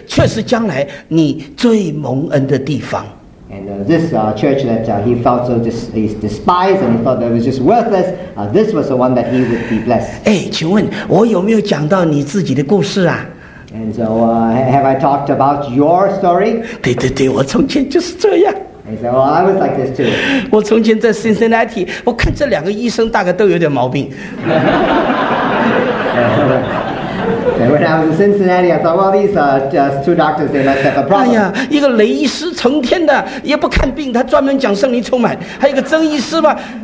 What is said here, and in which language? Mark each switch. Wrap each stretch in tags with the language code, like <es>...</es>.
<zh>你所最看不起的基督徒，你所认为最无聊的教会，却是将来你最蒙恩的地方。</zh> <en>And this church that he felt so despised and he thought that it was just worthless, this was the one that he would be blessed.</en> <zh>哎，请问我有没有讲到你自己的故事啊？</zh> <en>And so have I talked about your story?</en> <zh>对对对，我从前就是这样。</zh> <en>And so I was like this too.</en> <zh>我从前在 Cincinnati, 我看这两个医生大概都有点毛病。</zh> <en>When I was in Cincinnati, I thought, well, these are two doctors, they must have a problem.</en> <zh>哎呀，一个雷医师成天的也不看病，他专门讲圣灵充满；还有一个曾医师嘛。</zh>